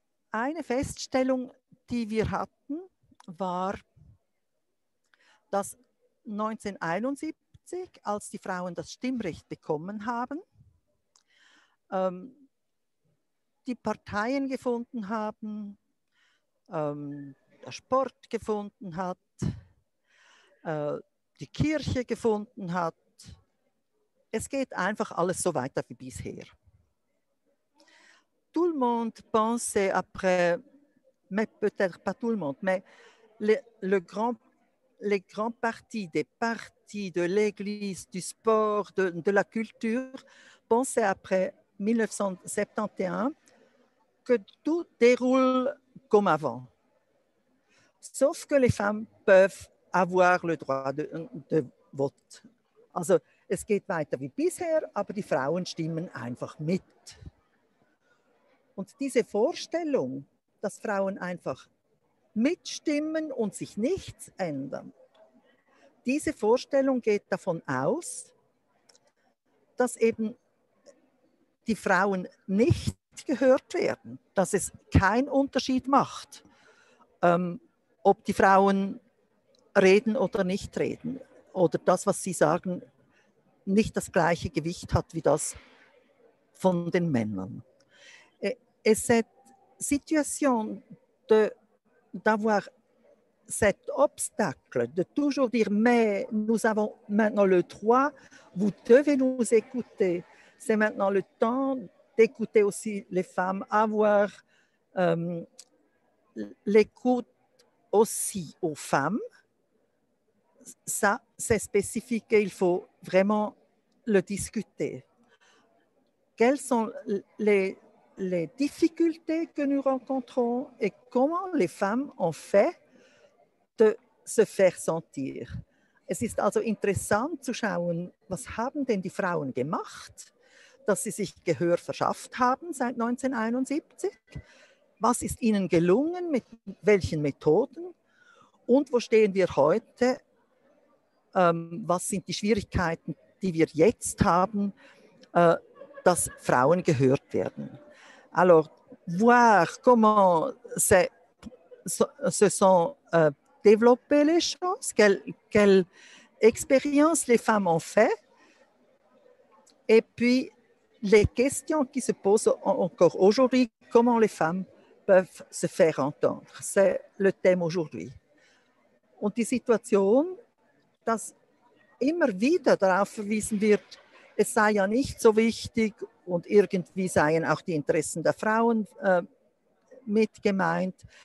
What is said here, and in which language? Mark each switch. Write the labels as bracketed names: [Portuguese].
[German] Eine Feststellung, die wir hatten, war, dass 1971, als die Frauen das Stimmrecht bekommen haben, die Parteien gefunden haben, der Sport gefunden hat, die Kirche gefunden hat. Es geht einfach alles so weiter wie bisher. [French] Tout le monde pensait après, mais peut-être pas tout le monde, mais les grands partis, des partis de l'Église, du sport, de la culture, pensaient après 1971 que tout déroule comme avant. Sauf que les femmes peuvent avoir le droit de vote. [German] Also, es geht weiter wie bisher, aber die Frauen stimmen einfach mit. Und diese Vorstellung, dass Frauen einfach mitstimmen und sich nichts ändern, diese Vorstellung geht davon aus, dass eben die Frauen nicht gehört werden, dass es keinen Unterschied macht, ob die Frauen reden oder nicht reden oder das, was sie sagen, nicht das gleiche Gewicht hat wie das von den Männern. [French] Et cette situation d'avoir cet obstacle, de toujours dire « mais nous avons maintenant le droit, vous devez nous écouter, c'est maintenant le temps d'écouter aussi les femmes, avoir l'écoute aussi aux femmes », ça c'est spécifique et il faut vraiment le discuter. Quelles sont les difficultés que nous rencontrons et comment les femmes ont fait de se faire sentir. [German] Es ist also interessant zu schauen, was haben denn die Frauen gemacht, dass sie sich Gehör verschafft haben seit 1971? Was ist ihnen gelungen, mit welchen Methoden? Und wo stehen wir heute? Was sind die Schwierigkeiten, die wir jetzt haben, dass Frauen gehört werden? [French] Alors, voir comment se sont développées les choses, quelle expérience les femmes ont fait, et puis les questions qui se posent encore aujourd'hui, comment les femmes peuvent se faire entendre. C'est le thème aujourd'hui. [German] Und die Situation, dass immer wieder darauf verwiesen wird, es sei ja nicht so wichtig und irgendwie seien auch die Interessen der Frauen mit gemeint.